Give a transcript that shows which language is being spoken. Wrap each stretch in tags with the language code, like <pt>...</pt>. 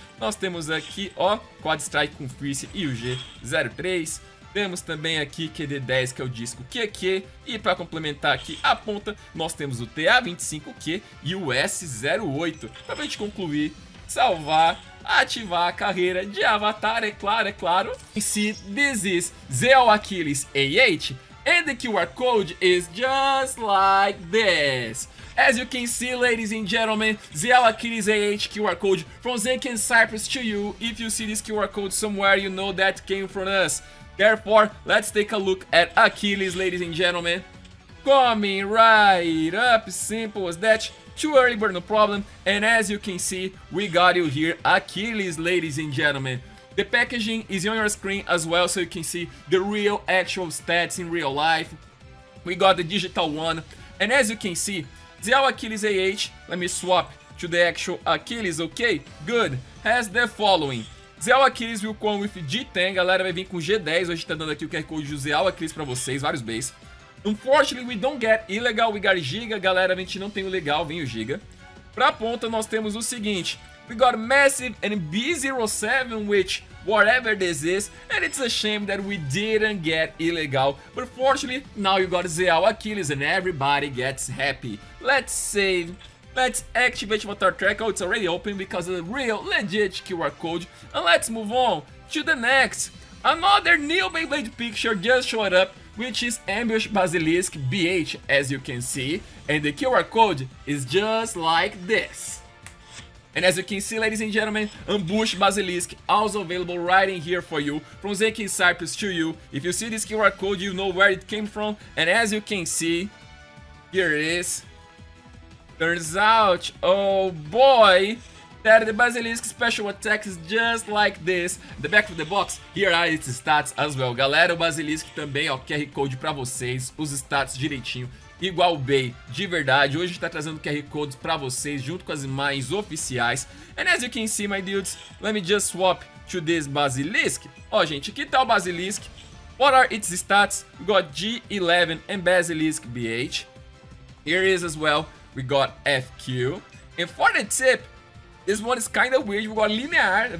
<pt>Nós temos aqui, ó, Quad Strike com Fierce e o G03. Temos também aqui QD10, que é o disco QQ. E pra complementar aqui a ponta, nós temos o TA25Q e o S08. Pra gente concluir, salvar, ativar a carreira de avatar, é claro, é claro. E se</pt> <en>this is Zeo Achilles A8, and the QR code is just like this. As you can see, ladies and gentlemen, Zeo Achilles A8 QR code from Zenk and Cyprus to you. If you see this QR code somewhere, you know that came from us. Therefore, let's take a look at Achilles, ladies and gentlemen. Coming right up, simple as that. Too early burn, no problem. And as you can see, we got you here, Achilles, ladies and gentlemen. The packaging is on your screen as well, so you can see the real actual stats in real life. We got the digital one. And as you can see, Zeo Achilles AH, let me swap to the actual Achilles, okay? Good. Has the following. Zeo Achilles will come with G10,</en> <pt>galera, vai vir com G10. Hoje tá dando aqui o QR Code do Zeo Achilles pra vocês, vários bays.</pt> <en>Unfortunately, we don't get illegal, we got Giga,</en> <pt>galera, a gente não tem o legal, vem o Giga. Pra ponta, nós temos o seguinte,</pt> <en>we got Massive and B07, which, whatever this is, and it's a shame that we didn't get illegal, but fortunately, now you got Zeo Achilles and everybody gets happy. Let's save, let's activate Avatar Track, oh, it's already open because of the real, legit QR code, and let's move on to the next. Another new Beyblade picture just showed up, which is Ambush Basilisk BH, as you can see. And the QR code is just like this. And as you can see, ladies and gentlemen, Ambush Basilisk also available right in here for you, from Zeki Cyprus to you. If you see this QR code, you know where it came from. And as you can see, here it is. Turns out, oh boy, that the Basilisk special attack is just like this. The back of the box, here are its stats as well.</en> <pt>Galera, o Basilisk também, ó, QR Code pra vocês, os stats direitinho. Igual o Bey, de verdade. Hoje a gente tá trazendo QR Codes pra vocês, junto com as imagens oficiais.</pt> <en>And as you can see, my dudes, let me just swap to this Basilisk.</en> <pt>Ó, gente, que tal o Basilisk?</pt> <en>What are its stats? We got G11 and Basilisk BH. Here is as well, we got FQ. And for the tip, this one is kind of weird. We got linear.</en>